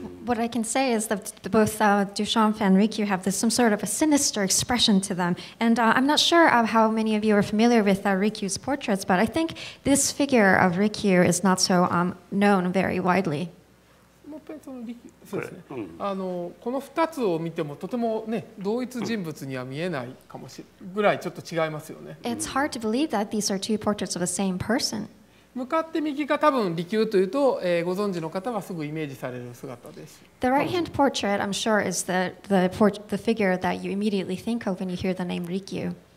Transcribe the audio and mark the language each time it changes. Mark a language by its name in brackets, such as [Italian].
[English] What I can say is that both Duchamp and Rikyu have this, some sort of a sinister expression to them. And I'm not sure of how many of you are familiar with Rikyu's portraits, but I think this figure of Rikyu is not so known very widely. [Japanese] この2つを見てもとても同一人物には見えないぐらいちょっと違いますよね。 [English] It's hard to believe that these are two portraits of the same person. [Japanese] 向かって右が多分利休というと、ご存知の方はすぐイメージされる姿です。 [English] The right-hand portrait, I'm sure, is the figure that you immediately think of when you hear the name Rikyu.